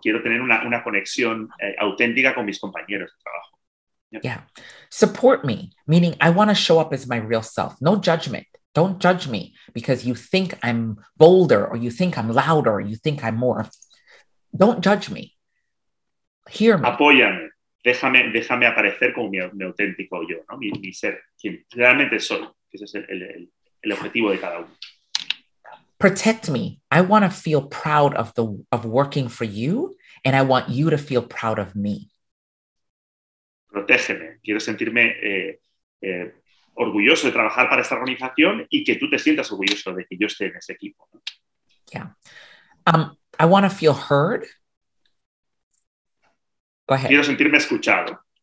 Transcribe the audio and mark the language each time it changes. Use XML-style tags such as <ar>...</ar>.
<es>Quiero tener una conexión auténtica con mis compañeros de trabajo.</es> <en>Yeah. Yeah. Support me, meaning I want to show up as my real self. No judgment. Don't judge me because you think I'm bolder or you think I'm louder or you think I'm more. Don't judge me. Hear me.</en> <es>Apóyame. Déjame aparecer como mi auténtico yo, ¿no? Mi ser, quien realmente soy. Ese es el objetivo de cada uno.</es> <en>Protect me. I want to feel proud of working for you, and I want you to feel proud of me.</en> <es>Protégeme. Quiero sentirme orgulloso de trabajar para esta organización y que tú te sientas orgulloso de que yo esté en ese equipo.</es> <en>Yeah. I want to feel heard. Go ahead.</en> <es>Quiero sentirme escuchado.</es>